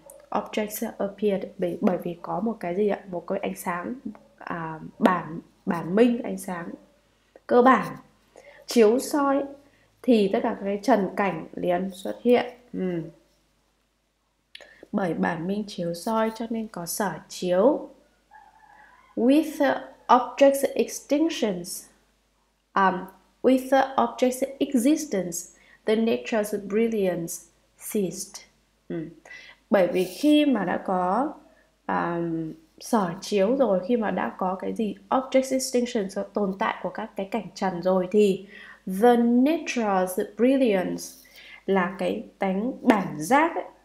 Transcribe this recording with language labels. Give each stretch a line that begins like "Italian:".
Vietnamese: objects appeared, bởi vì có một cái gì ạ, một cái ánh sáng, bản minh, ánh sáng cơ bản chiếu soi thì tất cả cái trần cảnh liền xuất hiện. Bởi bản minh chiếu soi cho nên có sở chiếu.
English: With objects extinctions, with objects existence, the nature's brilliance ceased.
Vietnamese: Bởi vì khi mà đã có sở chiếu rồi, khi mà đã có cái gì, object extinction, so tồn tại của các cái cảnh trần rồi, thì the nature's brilliance là cái tánh bản giác ấy.